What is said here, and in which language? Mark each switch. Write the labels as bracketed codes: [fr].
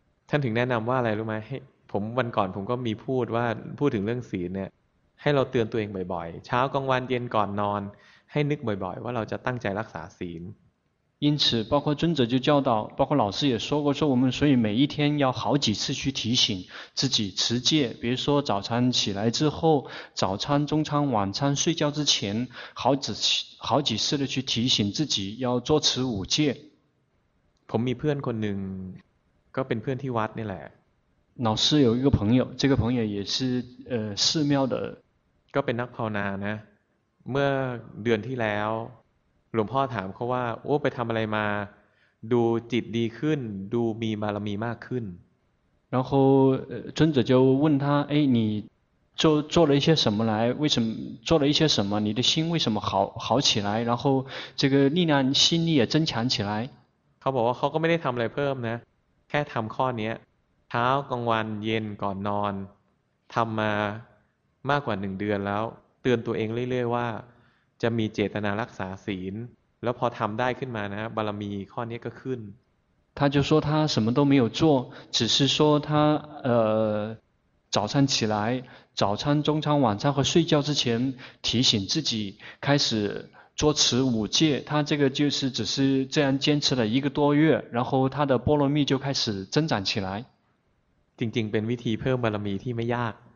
[th] ท่านถึงแนะนำว่าอะไรรู้ไหมผมวันก่อนผมก็มีพูดว่าพูดถึงเรื่องศีลเนี่ยให้เราเตือนตัวเองบ่อยๆเช้ากลางวันเย็นก่อนนอนให้นึกบ่อยๆว่าเราจะตั้งใจรักษาศีล [zh] 因此包括尊者就教导包括老师也说过说我们所以每一天要好几次去提醒自己持戒比如说早餐起来之后早餐中餐晚餐睡觉之前好几次的去提醒自己要做持五戒 [th] ผมมีเพื่อนคนหนึ่งก็เป็นเพื่อนที่วัดนี่แหละ [zh] 老师有一个朋友这个朋友也是寺庙的 [th] ก็เป็นนักภาวนานะเมื่อเดือนที่แล้วหลวงพ่อถามเขาว่าโอ้ไปทำอะไรมาดูจิตดีขึ้นดูมีบารมีมากขึ้น [zh] 然后尊者就问他哎你做了一些什么来为什么做了一些什么你的心为什么好起来然后这个力量心力也增强起来 [th] เขาบอกว่าเขาก็ไม่ได้ทำอะไรเพิ่มนะแค่ทำข้อนี้เช้ากลางวันเย็นก่อนนอนทำมามากกว่าหนึ่งเดือนแล้วเตือนตัวเองเรื่อยๆว่าจะมีเจตนารักษาศีลแล้วพอทำได้ขึ้นมานะบารมีข้อนี้ก็ขึ้น [zh] 他就说他什么都没有做只是说他早餐起来早餐中餐晚餐和睡觉之前提醒自己开始做持五戒他这个就是只是这样坚持了一个多月然后他的波罗蜜就开始增长起来 [th] จริงๆเป็นวิธีเพิ่มบารมีที่ไม่ยาก